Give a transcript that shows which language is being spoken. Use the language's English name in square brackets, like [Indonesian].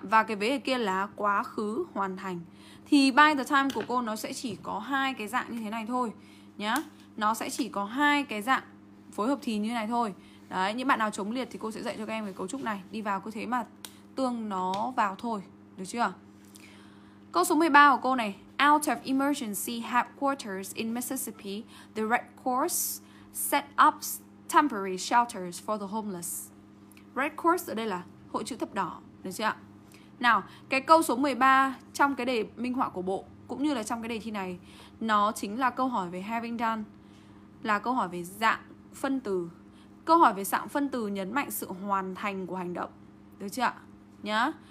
[Vietnamese] Và cái vế ở kia là quá khứ hoàn thành. Thì by the time của cô nó sẽ chỉ có hai cái dạng như thế này thôi nhá. Nó sẽ chỉ có hai cái dạng phối hợp thì như thế này thôi. Đấy, những bạn nào chống liệt thì cô sẽ dạy cho các em cái cấu trúc này, đi vào cứ thế mà tương nó vào thôi. Được chưa? Câu số 13 của cô này. [English] Out of emergency headquarters in Mississippi, the Red Cross set up temporary shelters for the homeless. [Vietnamese] Red Cross ở đây là hội chữ thập đỏ. Được chưa? Nào, cái câu số 13 trong cái đề minh họa của bộ cũng như là trong cái đề thi này, nó chính là câu hỏi về having done, là câu hỏi về dạng phân từ. Câu hỏi về dạng phân từ nhấn mạnh sự hoàn thành của hành động. Được chưa? Nhá.